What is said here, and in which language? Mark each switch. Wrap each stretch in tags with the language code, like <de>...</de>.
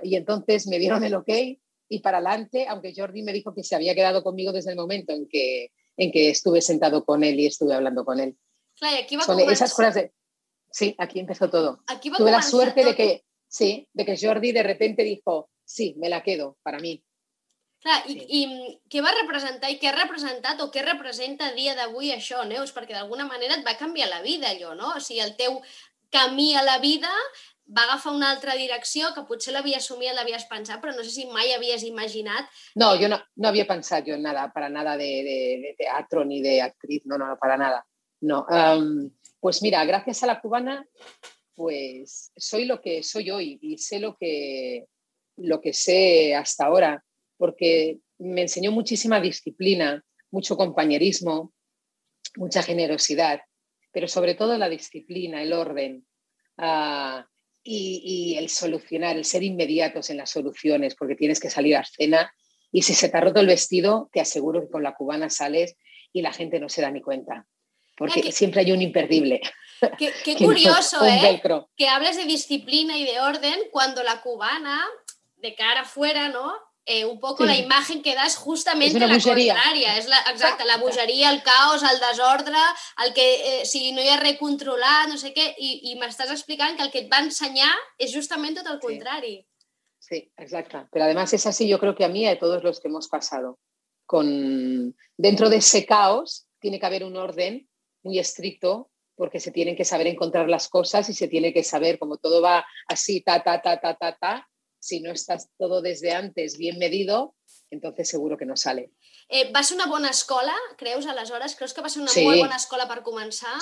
<es>Y entonces me dieron el ok y para adelante, aunque Jordi me dijo que se había quedado conmigo desde el momento en que estuve sentado con él y estuve hablando con él. Claro, aquí va con esas cosas de... Sí, aquí empezó todo. Aquí va. Tuve la suerte de que, sí, de que Jordi de repente dijo, sí, me la quedo para mí.</es> <ca>Clar, i què va representar i què ha representat o què representa a dia d'avui això, Neus? Perquè d'alguna manera et va canviar la vida allò, no? O sigui, el teu camí a la vida va agafar una altra direcció que potser l'havies somiat, l'havies pensat, però no sé si mai havies imaginat... No, jo no havia pensat jo</ca> <es>en nada, para nada de teatro ni de actriz, no, para nada, no. Pues mira, gracias a la cubana, pues soy lo que soy hoy y sé lo que sé hasta ahora. Porque me enseñó muchísima disciplina, mucho compañerismo, mucha generosidad, pero sobre todo la disciplina, el orden y el solucionar, el ser inmediatos en las soluciones, porque tienes que salir a escena y si se te ha roto el vestido, te aseguro que con la cubana sales y la gente no se da ni cuenta, porque siempre hay un imperdible. Qué curioso, ¿eh? Velcro. Que hables de disciplina y de orden cuando la cubana, de cara afuera, ¿no? Un poco sí. La imagen que das justamente es la bogeria.</es> <ca>Contraria, es la exacta, la bogeria, el caos, el desordre, el que si no hi ha res controlat, no sé què, i m'estàs explicant que el que et va ensenyar és justament tot el contrari.</ca> <es>Sí, exacte, però además és así, yo creo que a mí y a todos los que hemos pasado con dentro de ese caos tiene que haber un orden muy estricto porque se tienen que saber encontrar las cosas y se tiene que saber como todo va así ta ta ta ta ta ta. Si no estás todo desde antes bien medido, entonces seguro que no sale.</es> <ca>Va ser una bona escola, creus, aleshores? Creus que va ser una molt bona escola per començar?</ca>